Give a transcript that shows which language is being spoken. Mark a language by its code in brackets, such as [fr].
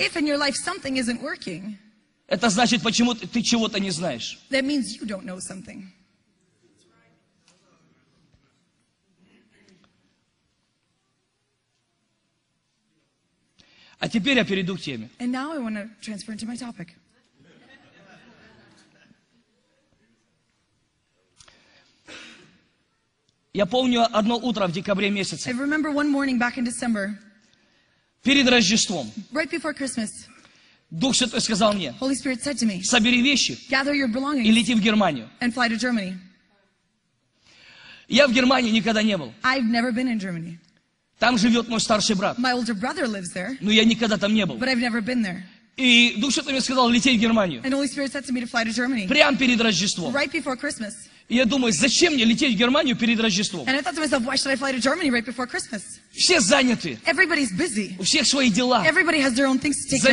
[en] if in your life something isn't working, [ru] это значит, почему ты чего-то не знаешь. [en] That means you don't know something. [ru] А теперь я перейду к теме. [en] And now I want to transfer into my topic. [ru] Я помню одно утро в декабре месяце. [en] I remember one morning back in December. [ru] Перед Рождеством. [en] Right before Christmas. [ru] Дух Святой сказал мне. [en] Holy Spirit said to me. [ru] Собери вещи. [en] Gather your belongings. [ru] И лети в Германию. [en] And fly to Germany. [ru] Я в Германии никогда не был. [en] I've never been in Germany. [ru] Там живет мой старший брат. [en] My older brother lives there. [ru] Но я никогда там не был. [en] But I've never been there. [ru] И Дух Святой мне сказал лететь в Германию. [en] And Holy Spirit said to me to fly to Germany. [ru] Прямо перед Рождеством. [en] Right before Christmas. [ru] И я думаю, зачем мне лететь в Германию перед Рождеством? [en] And I thought to myself, why should I fly to Germany right before Christmas? [ru] Все заняты. [en] Everybody's busy. [ru] У всех свои дела. [en] Everybody has their own things to take care